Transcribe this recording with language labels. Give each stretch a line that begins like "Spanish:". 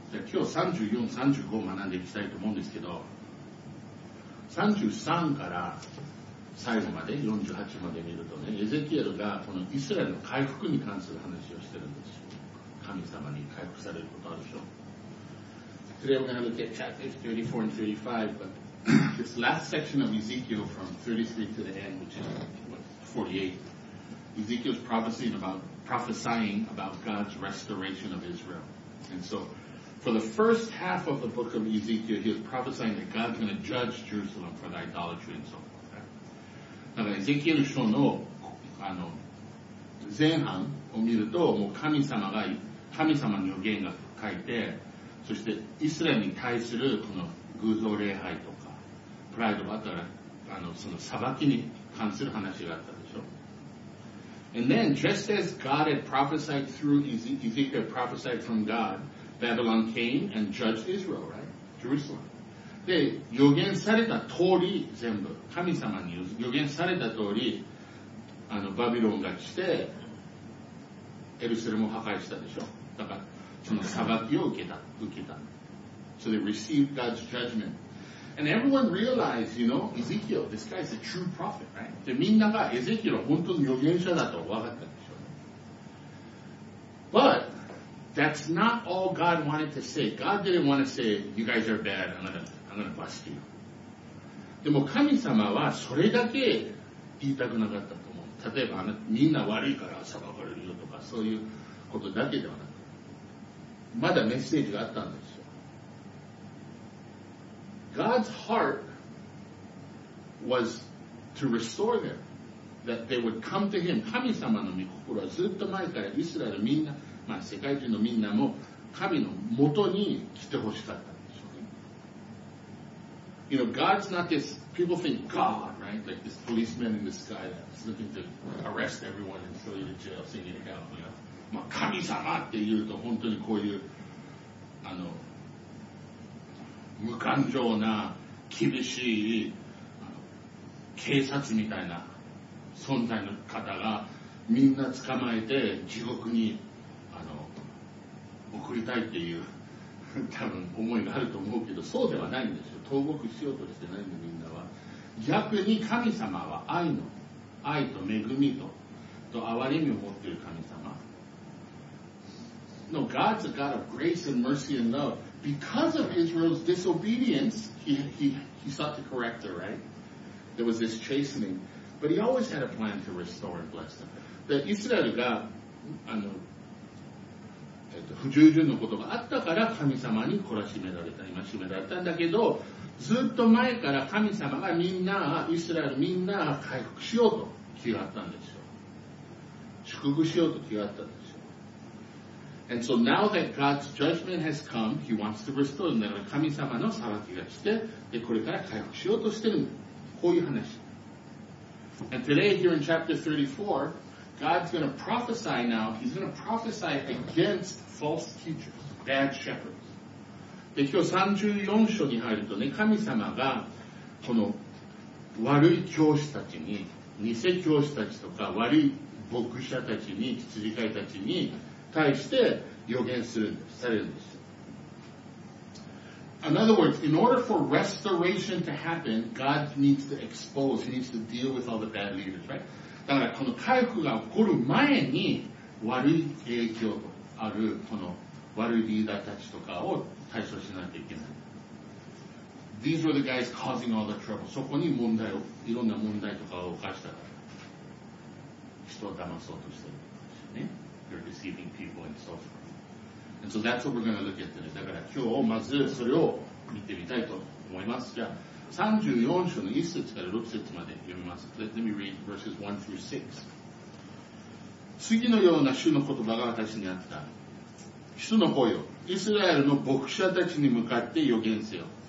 Japanese: 今日34、35を学んでいきたいと思うんですけど、33から最後まで、48まで見るとね、エゼキエルがこのイスラエルの回復に関する話をしてるんですよ。神様に回復されることあるでしょ。
English: Today we're going to look at chapters 34 and 35, but this last section of Ezekiel from 33 to the end, which is 48, Ezekiel's prophesying about God's restoration of Israel. And so, for the first half of the book of Ezekiel, he was prophesying that God's going to judge Jerusalem for the idolatry and so forth.
Japanese: だからエゼキエル書の、あの、前半を見ると、もう神様の予言が書いて、そして、イスラエルに対する、この、偶像礼拝とか、プライドがあったら、あの、その、裁きに関する話があったでしょ。
English: And then, just as God had prophesied through, Ezekiel prophesied from God, Babylon came and judged Israel, right? Jerusalem.
Japanese: で、予言された通り、全部、神様に予言された通り、あの、バビロンが来て、エルサレムを破壊したでしょ。だから、その裁きを受けた。
English: So they received God's judgment. And everyone realized, you know, Ezekiel, this guy is a true prophet, right?
Japanese: で、みんながエゼキエルは本当の預言者だと分かったでしょ。
English: But, that's not all God wanted to say. God didn't want to say, you guys are bad, I'm gonna bust you.
Japanese: でも神様はそれだけ言いたくなかったと思う。例えば、みんな悪いから裁かれるよとか、そういうことだけではなく、まだメッセージがあったんですよ。
English: God's heart was to restore them, that they would come to Him.
Japanese: 神様の御心はずっと前からイスラエルみんな、まあ世界中のみんなも神の元に来てほしかったんですよね。
English: You know, God's not this, people think God, right? Like this policeman in the sky that's looking to arrest everyone and throw you to jail, send you to hell, you know?
Japanese: まあ、神様って言うと本当にこういう、あの、無感情な、厳しい、あの、警察みたいな存在の方がみんな捕まえて地獄に、あの、送りたいっていう、多分思いがあると思うけど、そうではないんですよ。投獄しようとしてないんで、みんなは。逆に神様は愛と恵みと、憐れみを持っている神様。
English: No, God's a God of grace and mercy and love. Because of Israel's disobedience, he sought to correct her, right? There was this chastening. But he always had a plan to restore and bless them.
Japanese: で、イスラエルが、あの、不従順のことがあったから神様に懲らしめられた、戒められたんだけど、ずっと前から神様がみんな、イスラエルみんな回復しようと気があったんですよ。祝福しようと気があったんですよ。
English: And so now that God's judgment has come, He wants to restore them.
Japanese: 神様の裁きが来て、で、これから回復しようとしてる。こういう話。
English: And today, here in chapter 34, God's going to prophesy now. He's going to prophesy against false teachers, bad shepherds.
Japanese: で、今日34章に入るとね、神様が、この悪い教師たちに、偽教師たちとか、悪い牧者たちに、羊飼いたちに、対して予言するんです、されるんです。
English: In other words, in order for restoration to happen, God needs to expose, He needs to deal with all the bad leaders, right?
Japanese: だからこの回復が起こる前に悪い影響あるこの悪いリーダーたちとかを対処しないといけない。
English: These were the guys causing all the trouble.
Japanese: そこに問題を、いろんな問題とかを犯したから。人を騙そうとしてるんですよね。
English: Or deceiving people and so forth. And so that's what we're going to look at today.
Japanese: だから今日まずそれを見てみたいと思います。じゃあ34章の1節から6節まで読みます。
English: Let me read verses 1 through 6.
Japanese: 次のような主の言葉が私にあった。主の声よ、イスラエルの牧者たちに向かって予言せよ。